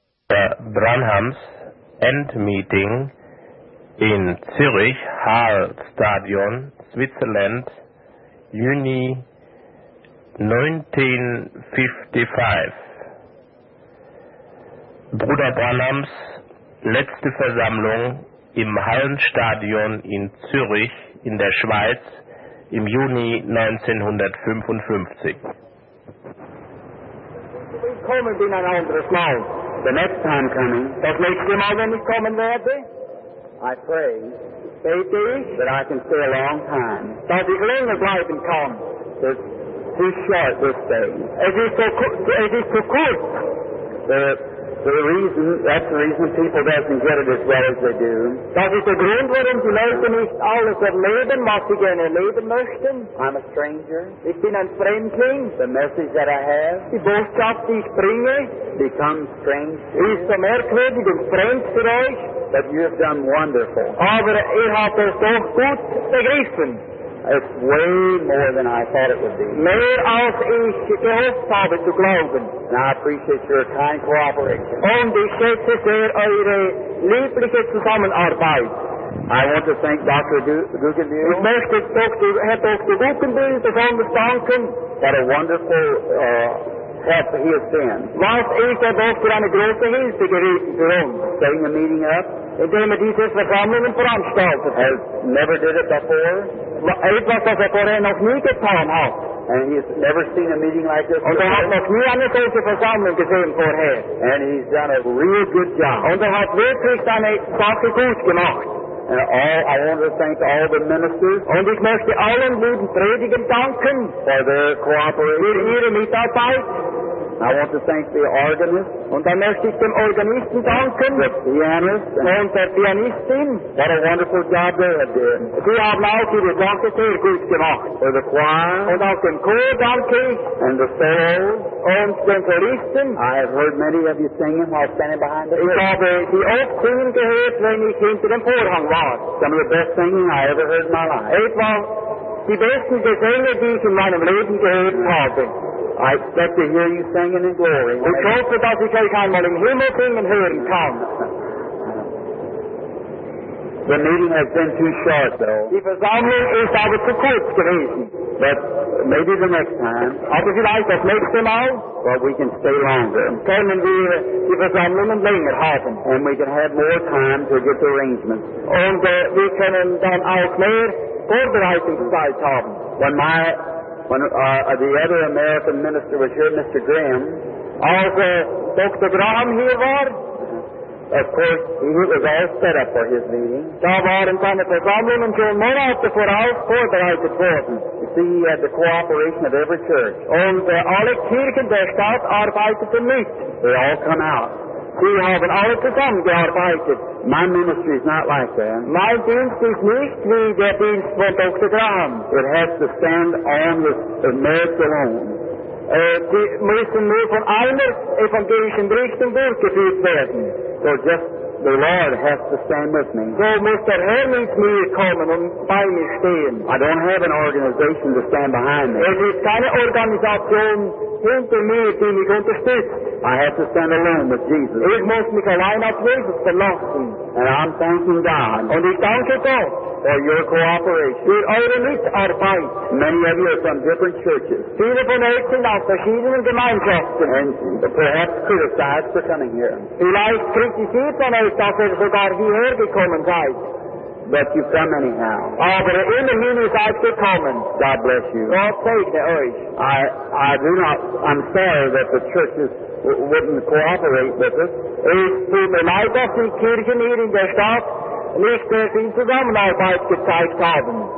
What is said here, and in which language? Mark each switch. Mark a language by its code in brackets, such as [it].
[en] Branham's end meeting in Zurich, Hall Stadion, Switzerland, June 1955. [de] Bruder Branhams letzte Versammlung im Hallenstadion in Zürich in der Schweiz im Juni 1955. Kommen in ein anderes Land. [en] The next time coming. [de] Das nächste Mal, wenn ich kommen werde. [en] I pray, baby, that I can stay a long time. [de] Dass ich länger bleiben kann. [en] It's too short this day. [de] Es ist so kurz. [en] That's the reason people doesn't get it as well as they do. [de] Das ist der Grund, warum die Leute nicht alles erleben, was sie gerne erleben möchten. [en] I'm a stranger. [de] Ich bin ein Fremdling. [en] The message that I have. [de] Die Botschaft, die ich bringe. [en] Becomes strange. [de] Ist so merkwürdig und fremd für euch. [en] But you have done wonderful. [de] Aber ihr habt es so gut begriffen. [en] It's way more than I thought it would be. [de] Mehr als ich gehofft habe zu glauben. [en] Now I appreciate your kind cooperation. [de] Und ich schätze sehr eure liebliche Zusammenarbeit. [en] I want to thank Dr. Guggenbühl. [de] Ich möchte Herr Dr. Guggenbühl besonders danken. [en] What a wonderful help he has been. [de] Was ist er doch für eine große Hilfe gewesen für uns. [en] Setting a meeting up. [de] Indem er diese Versammlung veranstaltet. [en] Has never did it before. [de] Etwas, was er vorher noch nie getan hat. [en] And he's never seen a meeting like this. [de] Und hat noch nie eine solche Versammlung gesehen vorher. [en] And he's done a real good job. [de] Und hat wirklich seine Sache gut gemacht. [en] And I want to thank all the ministers. [de] Und ich möchte allen lieben Predigern danken. [en] For their cooperation. [de] Für ihre Mitarbeit. [en] I want to thank the organist. [de] Und dann möchte ich dem Organisten danken. [en] The pianist. [de] Und der Pianistin. [en] What a wonderful job they have done. [de] Sie haben auch ihre Sache sehr gut gemacht. [en] For the choir. [de] Und auch dem Chor danke. [en] And the soul. [de] Und den Choristen. [en] I have heard many of you singing while standing behind the ear. [de] Ich habe sie oft singen gehört, wenn ich hinter dem Vorhang war. [en] Some of the best singing I ever heard in my life. [de] Etwa die besten Gesänge, die ich in meinem Leben gehört habe. [en] I expect to hear you singing in glory. [de] Und ich hoffe, dass ich euch einmal im Himmel singen hören kann. [en] The meeting has been too short, though. [de] Die Versammlung ist aber zu kurz gewesen. [en] But maybe the next time. [de] Aber vielleicht das nächste Mal. [en] But we can stay longer. [de] Können wir die Versammlung länger haben. [en] And we can have more time to get the arrangements. [de] Und wir können dann auch mehr Vorbereitungszeit haben. [en] When the other American minister was here, Mr. Graham. [de] Als Dr. Graham hier war. [en] Of course, he was all set up for his meeting. [de] Da waren seine Versammlungen schon Monate voraus vorbereitet worden. [en] You see, he had the cooperation of every church. [de] Und alle Kirchen der Stadt arbeiteten mit. [en] They all come out. [de] Sie haben alle zusammengearbeitet. [en] My ministry is not like that. [de] Mein Dienst ist nicht wie der Dienst von Dr. Graham. [en] It has to stand on the merits alone. [de] Sie müssen nur von einer evangelischen Richtung durchgeführt werden. [en] So just the Lord has to stand with me. [de] So muss der Herr mit mir kommen und bei mir stehen. [en] I don't have an organization to stand behind me. [de] Es ist keine Organisation hinter mir, die mich unterstützt. [en] I have to stand alone with Jesus. [de] Ich muss mich allein auf Jesus verlassen. [en] And I'm thanking God. [de] Und ich danke Gott. [en] For your cooperation. [de] Für eure Mitarbeit. [en] Many of you are from different churches. [de] Viele von euch sind aus verschiedenen Gemeinschaften. [en] And perhaps criticized for coming here. [de] Vielleicht kritisiert man euch, dass ihr sogar hierher gekommen seid. [en] But you've come anyhow. [de] Aber immerhin seid gekommen. [en] God bless you. [de] Gott segne euch. [en] I'm sorry that the churches wouldn't cooperate with us. [de] Es tut mir leid, dass die Kirchen hier in der Stadt nicht mehr in Zusammenarbeit gezeigt haben.